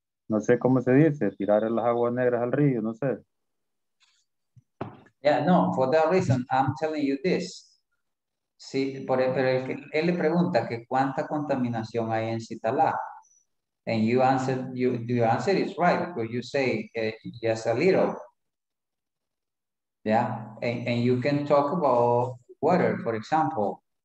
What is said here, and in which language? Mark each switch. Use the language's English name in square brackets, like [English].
[Spanish] No sé cómo se dice, tirar las aguas negras al río, no sé. [English] Yeah, no, for that reason, I'm telling you this. [Spanish] Sí, pero él le pregunta que cuánta contaminación hay en Citalá. [English] And you answer, your answer is right, because you say just a little. Yeah, and you can talk about water, for example.